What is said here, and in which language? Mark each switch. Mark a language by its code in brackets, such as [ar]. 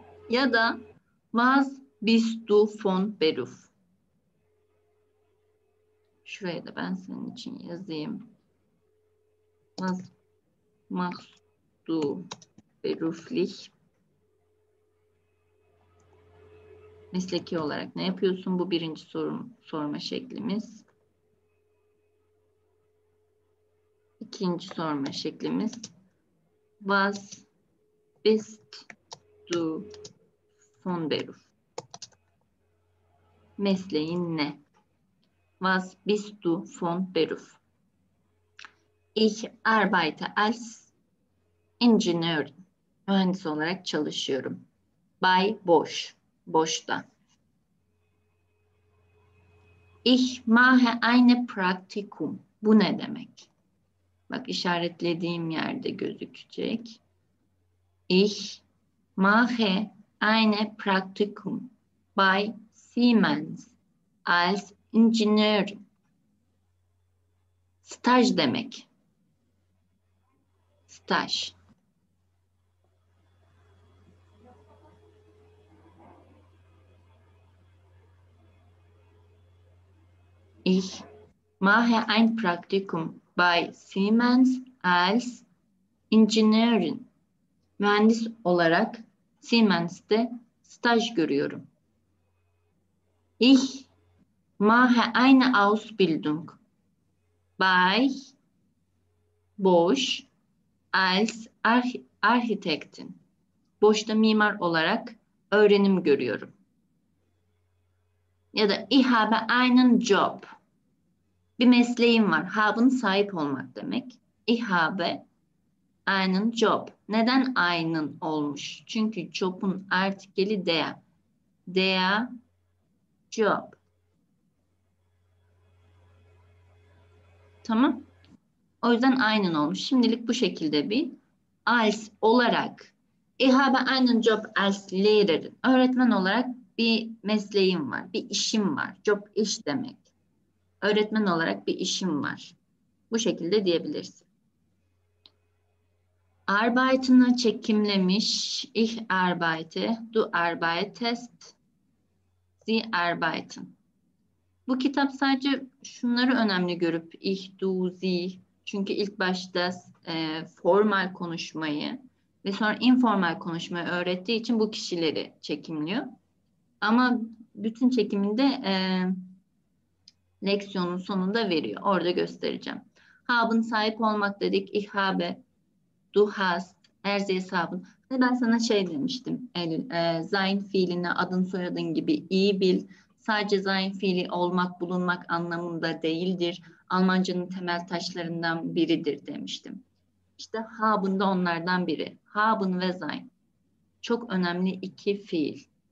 [tr] Ya da [de] Was bist du von Beruf? [tr] Şuraya da ben senin için yazayım. [de] Was machst du beruflich? [tr] Mesleki olarak ne yapıyorsun? Bu birinci sorma şeklimiz. İkinci sorma şeklimiz. [de] Was bist du von Beruf? [tr] Mesleğin ne? [de] Was bist du von Beruf? Ich arbeite als Ingenieur. [tr] Mühendis olarak çalışıyorum. [de] Bei Bosch. [tr] Bosch'ta. [de] Ich mache eine Praktikum. [tr] Bu ne demek? Bak işaretlediğim yerde gözükecek. [de] Ich mache eine Praktikum bei Siemens als Ingenieur. [tr] Staj demek. Staj. [de] Ich mache ein Praktikum bei Siemens als Ingenieurin. [tr] Mühendis olarak Siemens'te staj görüyorum. [de] Ich mache eine Ausbildung bei Bosch als Architektin. [tr] Bosch'ta mimar olarak öğrenim görüyorum. Ya da [de] ich habe einen Job. [tr] Bir mesleğim var. Haben sahip olmak demek. [de] Ich habe einen Job. [tr] Neden einen olmuş? Çünkü job'un artikeli der. Der Job. Tamam. O yüzden aynen olmuş. Şimdilik bu şekilde bir. Als olarak. [de] Ich habe einen Job als Lehrerin. [tr] Öğretmen olarak bir mesleğim var. Bir işim var. Job iş demek. Öğretmen olarak bir işim var. Bu şekilde diyebilirsin. Arbeitını çekimlemiş. Ich arbeite. [de] Du arbeitest. Sie arbeiten. [tr] Bu kitap sadece şunları önemli görüp ich, du, sie. Çünkü ilk başta formal konuşmayı ve sonra informal konuşmayı öğrettiği için bu kişileri çekimliyor. Ama bütün çekiminde leksiyonun sonunda veriyor. Orada göstereceğim. Haben sahip olmak dedik. [de] Ich habe, du hast, er sie haben. [tr] Ben sana şey demiştim. Sein fiilini adın soyadın gibi iyi bil. Sadece sein fiili olmak, bulunmak anlamında değildir. Almancanın temel taşlarından biridir demiştim. İşte haben da onlardan biri. Haben ve sein. Çok önemli iki fiil.